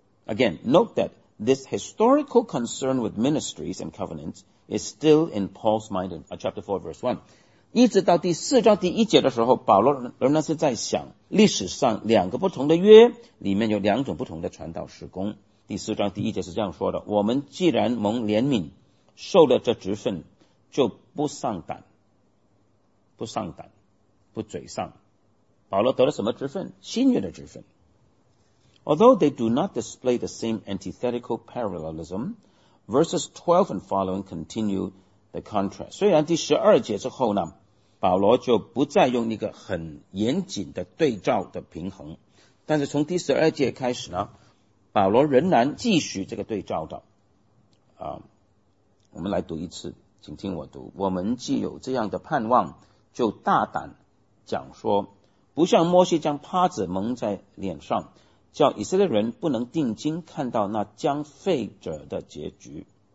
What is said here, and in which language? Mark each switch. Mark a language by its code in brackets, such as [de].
[en] Again, note that this historical concern with ministries and covenants is still in Paul's mind in chapter 4, verse 1. [zh] 一直到第四章第一节的时候，保罗仍然是在想历史上两个不同的约里面有两种不同的传道事工。第四章第一节是这样说的，我们既然蒙怜悯受了这职分，就不丧胆，不丧胆，不沮丧。保罗得了什么职分？新约的职分。 [en] Although they do not display the same antithetical parallelism, verses 12 and following continue the contrast. [zh] 虽然第十二节之后呢，保罗就不再用一个很严谨的对照的平衡，但是从第十二节开始呢，保罗仍然继续这个对照的。我们来读一次，请听我读。我们既有这样的盼望，就大胆讲说，不像摩西将帕子蒙在脸上，叫以色列人不能定睛看到那将废者的结局。